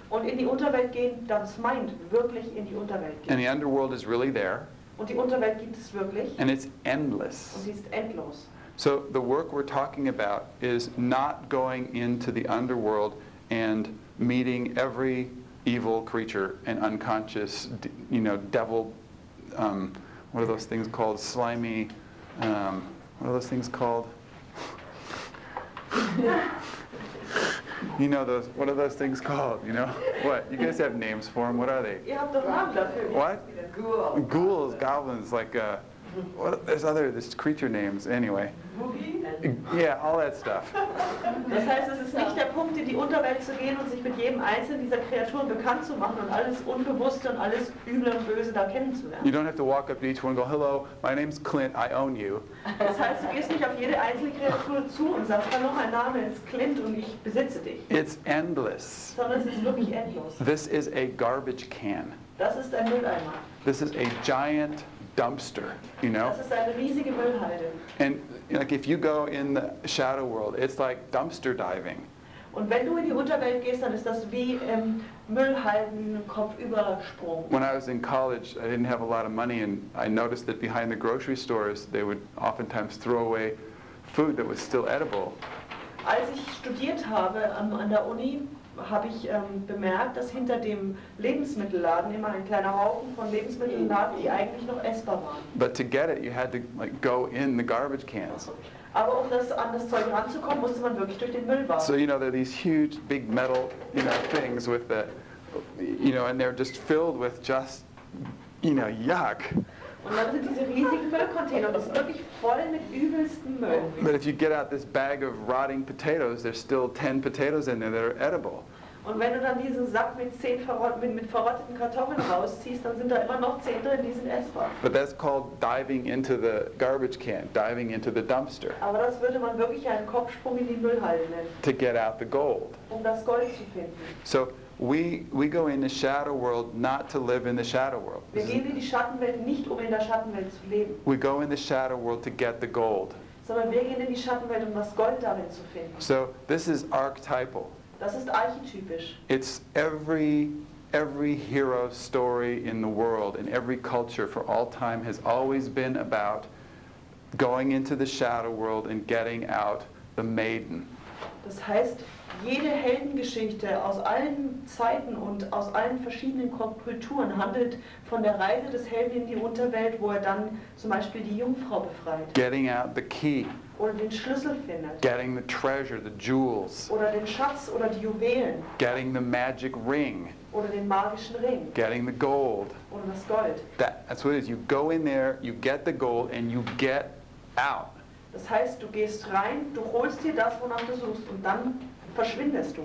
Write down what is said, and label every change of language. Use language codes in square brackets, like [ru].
[de] Und in die Unterwelt gehen, das meint wirklich in die Unterwelt gehen. [en] And the underworld is really there. [de] Und die Unterwelt gibt es wirklich. [en] And it's endless. [de] Und sie ist endlos. [en] So the work we're talking about is not going into the underworld and meeting every evil creature and unconscious, you know, devil, what are those things called? Slimy, what are those things called? You know those, what are those things called, you know? What? You guys have names for them, what are they? What? Ghouls, goblins, like, what, there's other, there's creature names, anyway. Yeah, all that stuff. [de] Das heißt, es ist nicht der Punkt, in die Unterwelt zu gehen und sich mit jedem einzelnen dieser Kreaturen bekannt zu machen und alles Unbewusste und alles Üble und Böse da kennenzulernen. [en] You don't have to walk up to each one and go, "Hello, my name's Clint, I own you." [de] Das heißt, du gehst nicht auf jede einzelne Kreatur zu und sagst, "Hallo, mein Name ist Clint und ich besitze dich." [en] It's endless. [de] Sondern es ist wirklich endlos. [en] This is a garbage can. [de] Das ist ein Mülleimer. [en] This is a giant dumpster, you know? [de] Das ist eine riesige Müllhalde. [en] And like if you go in the shadow world, it's like dumpster diving. [de] Und wenn du in die Unterwelt gehst, dann ist das wie Müllhalden Kopfübersprung. [en] When I was in college, I didn't have a lot of money and I noticed that behind the grocery stores, they would oftentimes throw away food that was still edible. [de] Als ich studiert habe an der Uni, habe ich bemerkt, dass hinter dem Lebensmittelladen immer ein kleiner Haufen von Lebensmitteln lag, die eigentlich noch essbar waren. [en] But to get it, you had to like go in the garbage cans. [de] Aber um das an das Zeug ranzukommen, musste man wirklich durch den Müllwagen. [en] So you know, there are these huge, big metal, you know, things with the, you know, and they're just filled with just, you know, yuck. [de] Und dann sind diese riesigen Müllcontainer, das ist wirklich voll mit übelsten Müll. [en] But if you get out this bag of rotting potatoes, there's still 10 potatoes in there that are edible. [de] Und wenn du dann diesen Sack mit 10 verrotteten Kartoffeln rausziehst, dann sind da immer noch 10 drin, die sind essbar. [en] But that's called diving into the garbage can, diving into the dumpster. [de] Aber das würde man wirklich einen Kopfsprung in die Müllhalde nennen. [en] To get out the gold. [de] Um das Gold zu finden. [en] So we go in the shadow world not to live in the shadow world. [de] Wir gehen in die Schattenwelt nicht, um in der Schattenwelt zu leben. [en] We go in the shadow world to get the gold. [de] Sondern wir gehen in die Schattenwelt, um das Gold darin zu finden. [en] So this is archetypal. [de] Das ist archetypisch. [en] It's every hero story in the world, in every culture for all time, has always been about going into the shadow world and getting out the maiden. [de] Das heißt, jede Heldengeschichte aus allen Zeiten und aus allen verschiedenen Kulturen handelt von der Reise des Helden in die Unterwelt, wo er dann zum Beispiel die Jungfrau befreit. [en] Getting out the key. [de] Oder den Schlüssel findet. [en] Getting the treasure, the jewels. [de] Oder den Schatz oder die Juwelen. [en] Getting the magic ring. [de] Oder den magischen Ring. [en] Getting the gold. [de] Oder das Gold. [en] That's what it is. You go in there, you get the gold, and you get out. [de] Das heißt, du gehst rein, du holst dir das, wonach du suchst, und dann verschwindest du.